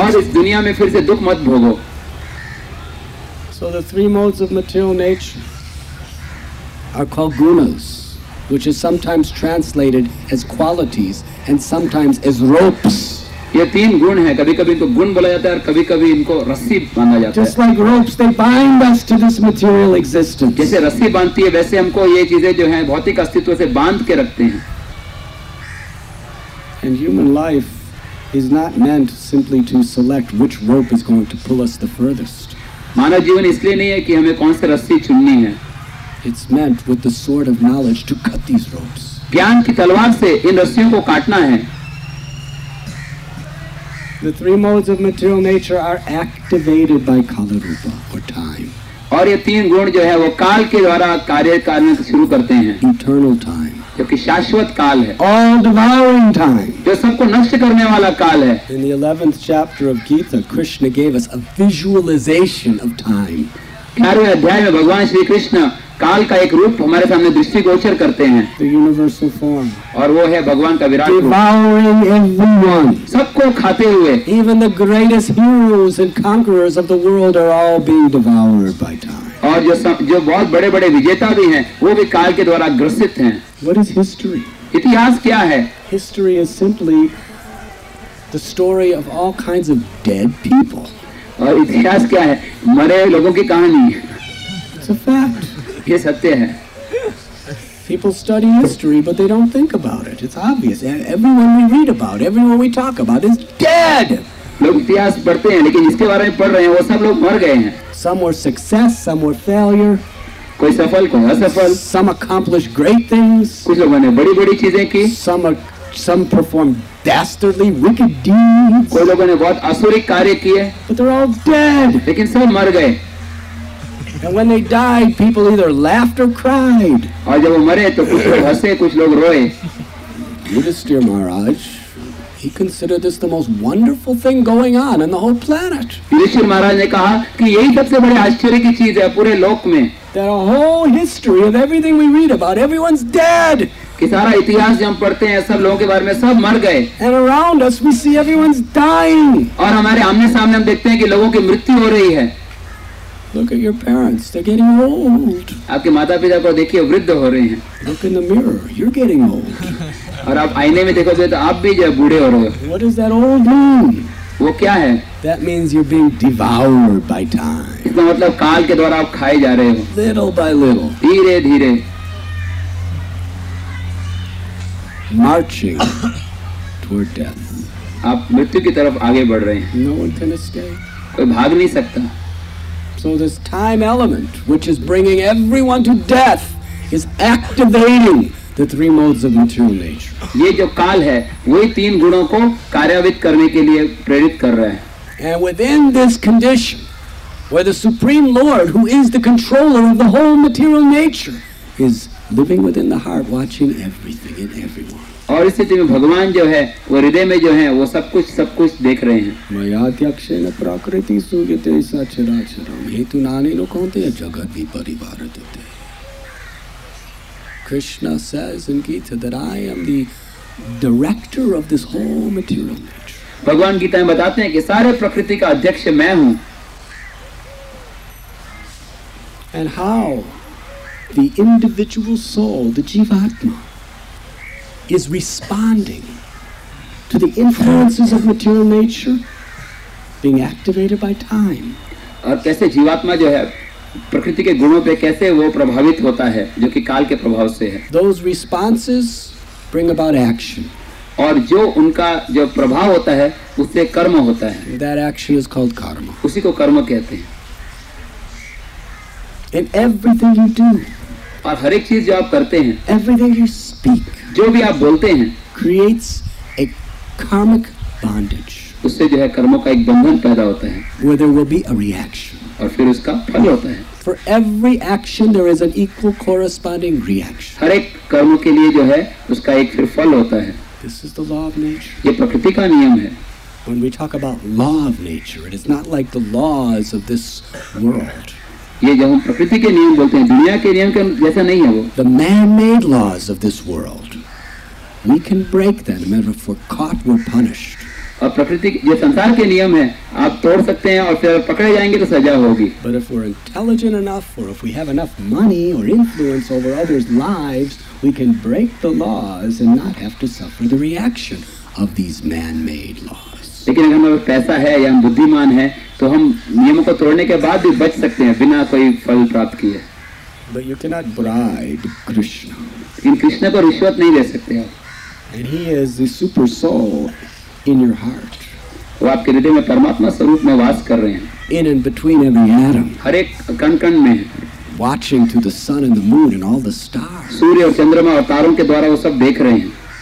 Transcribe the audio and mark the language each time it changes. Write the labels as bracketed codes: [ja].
[hi] और इस दुनिया में फिर से दुख मत भोगो. [en] So the three modes of material nature are called gunas, which is sometimes translated as qualities and sometimes as ropes. [hi] ये तीन गुण हैं. कभी-कभी इनको गुण बोला जाता है और कभी-कभी इनको रस्सी बांधा जाता है. [en] Just like ropes, they bind us to this material existence. [hi] जैसे रस्सी बांधती है वैसे हमको ये चीजें जो हैं भौतिक अस्तित्व से बांध के रखते हैं. [en] And human life is not meant simply to select which rope is going to pull us the furthest. [hi] मानव जीवन इसलिए नहीं है कि हमें कौन से रस्सी चुननी है. [en] It's meant with the sword of knowledge to cut these ropes. [hi] ज्ञान की तलवार से इन रस्सियों को काटना है. [en] The three modes of material nature are activated by kala rupa or time. [hi] और ये तीन गुण जो है वो काल के द्वारा कार्य करने शुरू करते हैं. [en] Eternal time. [hi] क्योंकि शाश्वत काल है. [en] All devouring time. [hi] जो सबको नष्ट करने वाला काल है. [en] In the 11th chapter of Gita, Krishna gave us a visualization of time. [hi] 11वें अध्याय में भगवान श्री कृष्ण काल का एक रूप हमारे सामने दृष्टिगोचर करते हैं. [en] The universal form. [hi] और वो है भगवान का विराट [en] रूप. Devouring everyone. [hi] सबको खाते हुए. [en] Even the greatest heroes and conquerors of the world are all being devoured by time. [hi] और जो बहुत बड़े बड़े विजेता भी हैं वो भी काल के द्वारा ग्रसित हैं. [en] What is history? [hi] इतिहास क्या है? [en] History is simply the story of all kinds of dead people. [hi] और इतिहास क्या है? मरे लोगों की कहानी. [en] It's a fact. [hi] ये सत्य है. [en] People study history, but they don't think about it. It's obvious. Everyone we read about, everyone we talk about is dead. [hi] लोग इतिहास पढ़ते हैं, लेकिन इसके बारे में पढ़ रहे हैं, वो सब लोग मर गए हैं. [en] Some were success, some were failure. [hi] कोई सफल, कोई असफल. [en] Some accomplished great things. [hi] कुछ लोगों ने बड़ी-बड़ी चीजें की. [en] Some performed dastardly, wicked deeds. [hi] कोई लोगों ने बहुत असुरिक कार्य किए. [en] But they're all dead. [hi] लेकिन सब मर गए. [en] And when they died, people either laughed or cried. [hi] और जब वो मरे तो कुछ लोग हंसे, कुछ लोग रोए. [en] Yudhishthira Maharaj, he considered this the most wonderful thing going on in the whole planet. [hi] Yudhishthira Maharaj ने कहा कि यही सबसे बड़े आश्चर्य की चीज है पूरे लोक में. [en] That a whole history of everything we read about, everyone's dead. [hi] कि सारा इतिहास जो हम पढ़ते हैं सब लोगों के बारे में सब मर गए. [en] And around us, we see everyone's dying. [hi] और हमारे आमने सामने हम देखते हैं कि लोगों की मृत्यु हो रही है. [en] Look at your parents, they're getting old. [hi] आपके माता पिता को देखिए वृद्ध हो रहे हैं. [en] Look in the mirror, you're getting old. [hi] और आप आईने में देखोगे तो आप भी जो बूढ़े हो रहे हो. [en] What does that old mean? [hi] वो क्या है? [en] That means you're being devoured by time. [hi] इसका मतलब काल के द्वारा आप खाए जा रहे हो. [en] Little by little. [hi] धीरे धीरे. [en] Marching toward death. [hi] आप मृत्यु की तरफ आगे बढ़ रहे हैं. [en] No one can escape. [hi] कोई भाग नहीं सकता. [en] So this time element, which is bringing everyone to death, is activating the three modes of material nature. [hi] ये जो काल है, वो तीन गुणों को कार्यान्वित करने के लिए प्रेरित कर रहा है. [en] And within this condition, where the Supreme Lord, who is the controller of the whole material nature, is living within the heart, watching everything and everyone. [hi] और इस स्थिति में भगवान जो है वो हृदय में जो है वो सब कुछ देख रहे हैं। [sa] मयाध्यक्ष न प्रकृति सूर्य तेसा चरा चरा हेतु नानी लोग कहते हैं जगत भी परिवार देते हैं। [en] Krishna says in Gita that I am the director of this whole material nature. [hi] भगवान गीता में बताते हैं कि सारे प्रकृति का अध्यक्ष मैं हूँ। [en] And how the individual soul, the jivatma, is responding to the influences of material nature being activated by time. [hi] और कैसे जीवात्मा जो है प्रकृति के गुणों पे कैसे वो प्रभावित होता है जो कि काल के प्रभाव से है. [en] Those responses bring about action. [hi] और जो उनका जो प्रभाव होता है उससे कर्म होता है. [en] That action is called karma. [hi] उसी को कर्म कहते हैं. [en] In everything you do. [hi] और हर एक चीज जो आप करते हैं. [en] Everything you speak. [hi] जो भी आप बोलते हैं [en] creates a karmic bondage. [hi] उससे जो है कर्मों का एक बंधन पैदा होता है. [en] Where there will be a reaction. [hi] और फिर उसका फल होता है. [en] For every action there is an equal corresponding reaction. [hi] हर एक कर्म के लिए जो है उसका एक फिर फल होता है. [en] This is the law of nature. [hi] ये प्रकृति का नियम है. [en] When we talk about law of nature, it is not like the laws of this world. [hi] ये जब हम प्रकृति के नियम बोलते हैं दुनिया के नियम के जैसा नहीं है वो. [en] The man-made laws of this world, we can break them. And if we're caught, we're punished. [hi] और प्रकृति ये संसार के नियम हैं आप तोड़ सकते हैं और फिर पकड़े जाएंगे तो सजा होगी. [en] But if we're intelligent enough, or if we have enough money or influence over others' lives, we can break the laws and not have to suffer the reaction of these man-made laws. [hi] लेकिन अगर हमें पैसा है या हम बुद्धिमान हैं तो हम नियमों को तोड़ने के बाद भी बच सकते हैं बिना कोई फल प्राप्त किए. [en] But you cannot bribe Krishna. [hi] इन कृष्ण को रिश्वत नहीं ले सकते हो. [en] And he is the super soul in your heart. [hi] वो आपके हृदय में परमात्मा स्वरूप में वास कर रहे हैं. [en] In and between every atom. [hi] हर एक कण कण में. [en] Watching through the sun and the moon and all the stars. [hi] सूर्य और चंद्रमा और तारों के द्वारा वो सब देख रहे हैं.